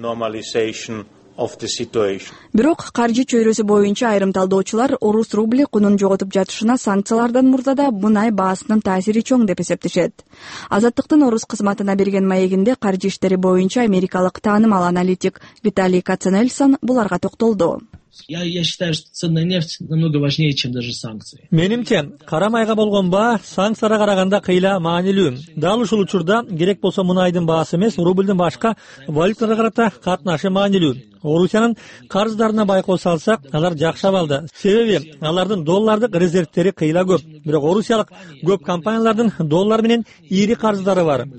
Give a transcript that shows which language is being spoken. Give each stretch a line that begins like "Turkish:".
Kyrgyz: Бирок каржы чөйрөсү боюнча айрым талдоочулар орус рубли кунун жоготуп жатышына санкциялардан мурда да мунай баасынын таасири чоң деп эсептешет. Азаттыктын орус кызматына берген маегинде каржы иштери боюнча америкалык таанымал аналитик Виталий Кацанельсон буларга токтолду.
Russian: Я считаю, что ценная нефть намного важнее, чем даже санкции.
Kyrgyz: Менимче, карамайга болгон баа санкцияга караганда кыйла маанилүү. Дал ушул учурда керек болсо мунайдын баасы эмес, рубльдин башка валюталарга карата катнашы маанилүү. Орусиянын карыздарына байкоо салсак, алар жакшап алды. Себеби алардын доллардык резервтери кыйла көп. Бирок орусиялык көп компаниялардын доллар менен ири карыздары бар.